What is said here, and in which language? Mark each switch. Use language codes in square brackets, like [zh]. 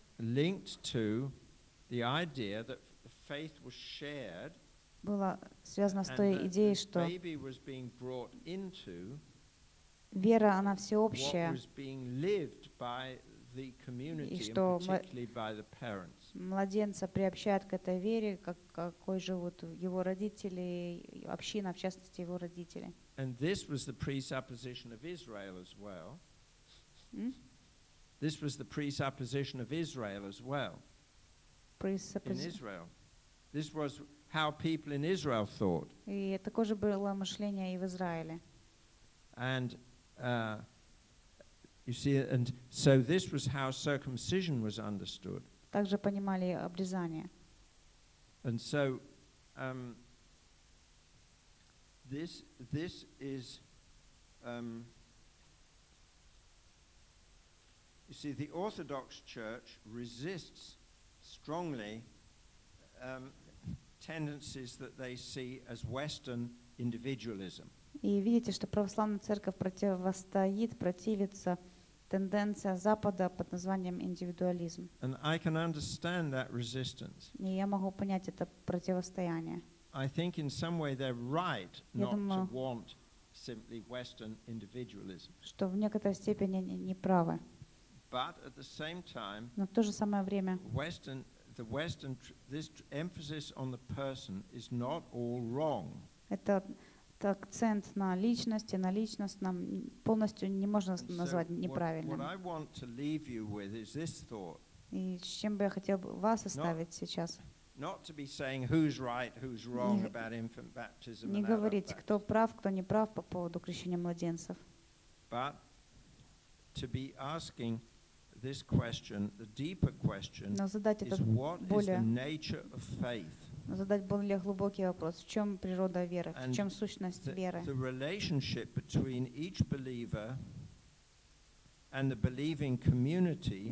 [en] linked to the idea that faith was shared. [ru] Было связано с той идеей, что [en] baby was being brought into. [ru] Вера она всеобщая. [en] What was being lived by the community, particularly by the parents. [ru] Младенца приобщают к этой вере, как какой живут его родители, община, в частности его родители. [en] And this was the presupposition of Israel as well. This was the presupposition of Israel as well. Presupposition in Israel. This was how people in Israel thought. [ru] И такое же было мышление и в Израиле. [en] And you see, and so this was how circumcision was understood. [ru] Также понимали обрезание. [en] And so this is you see, the Orthodox Church resists strongly tendencies that they see as Western individualism. [ru] И видите, что православная церковь противостоит, противится тенденция Запада под названием индивидуализм. [en] And I can understand that resistance. [ru] И я могу понять это противостояние. [en] I think in some way they're right not to want simply Western individualism. [ru] Что в некоторой степени не правы. [en] But at the same time, [ru] но в то же самое время, [en] Western the Western this emphasis on the person is not all wrong. [ru] Это акцент на личности, на личностном полностью не можно назвать неправильным. [en] What I want to leave you with is this thought. [ru] И с чем бы я хотел вас оставить сейчас? [en] Not to be saying who's right, who's wrong about infant baptism. [ru] Не говорить, кто прав, кто не прав по поводу крещения младенцев. [en] But to be asking this question, the deeper question, [ru] но задать этот [en] is what [ru] более, [en] is the nature of faith? [ru] Задать более глубокий вопрос, в чем природа веры, в чем сущность the, веры? [en] The relationship between each believer and the believing community,